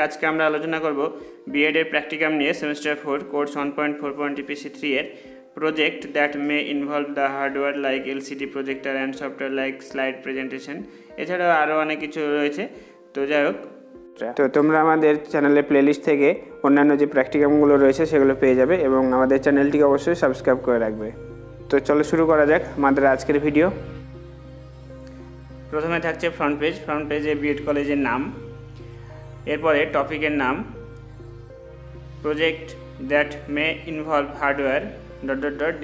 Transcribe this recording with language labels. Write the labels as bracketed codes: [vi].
[bn] আজকে আমরা আলোচনা করব B.Ed Practicum নিয়ে semester 4 course 1.4. [en] PC 3 এর project that may involve the hardware like LCD projector and software like slide presentation. [bn] এছাড়া আরো অনেক কিছু রয়েছে। তো যাই হোক, তো তোমরা আমাদের চ্যানেলে প্লেলিস্ট থেকে অন্যান্য যে প্র্যাকটিক্যাম গুলো রয়েছে সেগুলো পেয়ে যাবে এবং আমাদের চ্যানেলটিকে অবশ্যই সাবস্ক্রাইব করে রাখবে। তো চলো শুরু করা যাক আমাদের আজকের ভিডিও। প্রথমে থাকছে ফ্রন্ট পেজ। ফ্রন্ট পেজে বিএড কলেজের নাম, এরপরে টপিকের নাম, [en] project that may involve hardware ..